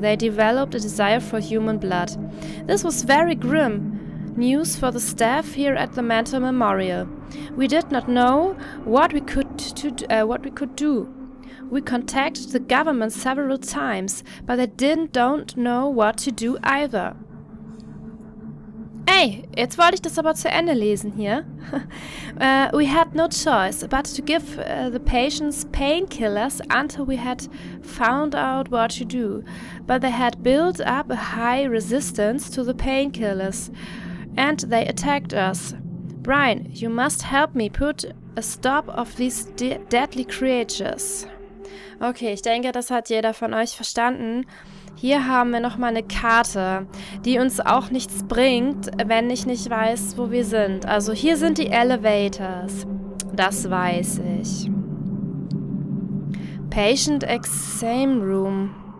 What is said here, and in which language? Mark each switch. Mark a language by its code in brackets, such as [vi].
[en] They developed a desire for human blood. This was very grim news for the staff here at the Mental Memorial. We did not know what we could do. We contacted the government several times, but they don't know what to do either. [de] Hey, jetzt wollte ich das aber zu Ende lesen hier. [en] we had no choice but to give the patients painkillers until we had found out what to do. But they had built up a high resistance to the painkillers and they attacked us. Brian, you must help me put a stop of these deadly creatures. [de] Okay, ich denke, das hat jeder von euch verstanden. Hier haben wir nochmal eine Karte, die uns auch nichts bringt, wenn ich nicht weiß, wo wir sind. Also hier sind die Elevators. Das weiß ich. [en] Patient Exam Room.